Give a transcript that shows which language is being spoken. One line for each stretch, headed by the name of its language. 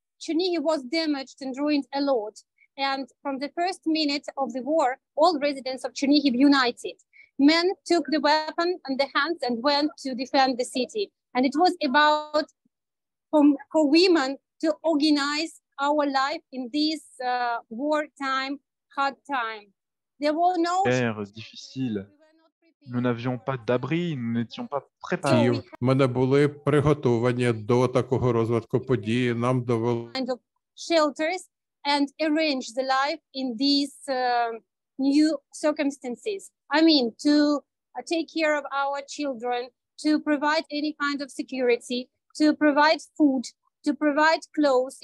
English: Chernihiv was damaged and ruined a lot. And from the first minute of the war, all residents of Chernihiv united. Men took the weapon in their hands and went to defend the city. And it was about for women to organize our life in this wartime, hard time.
French: Guerre difficile. Nous n'avions pas d'abri, nous n'étions pas préparés.
Ukrainian: У мене були приготовлення до такого розвитку події. Нам довели
English: shelters and arrange the life in these new circumstances. I mean, to take care of our children, to provide any kind of security, to provide food, to provide clothes.